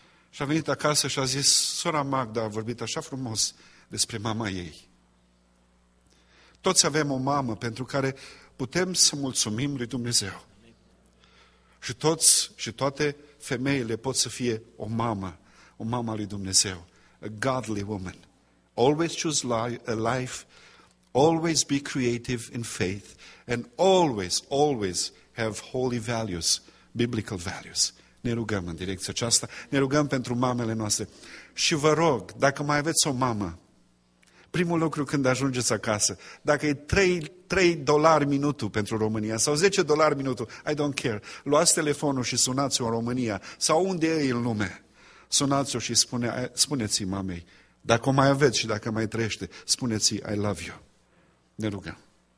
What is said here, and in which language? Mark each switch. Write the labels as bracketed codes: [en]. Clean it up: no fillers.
[ro] Și a venit acasă și a zis, sora Magda a vorbit așa frumos despre mama ei. Toți avem o mamă pentru care putem să mulțumim lui Dumnezeu. Și toți și toate femeile pot să fie o mamă, o mamă a lui Dumnezeu, [en] a godly woman. Always choose a life, always be creative in faith, and always, always have holy values, biblical values. [ro] Ne rugăm în direcția aceasta, ne rugăm pentru mamele noastre. Și vă rog, dacă mai aveți o mamă, primul lucru când ajungeți acasă, dacă e 3 dolari minutul pentru România sau 10 dolari minutul, [en] I don't care, [ro] luați telefonul și sunați-o în România sau unde e în lume, sunați-o și spuneți-i mamei, dacă o mai aveți și dacă mai trăiește, spuneți-i, [en] I love you. [ro] Ne rugăm.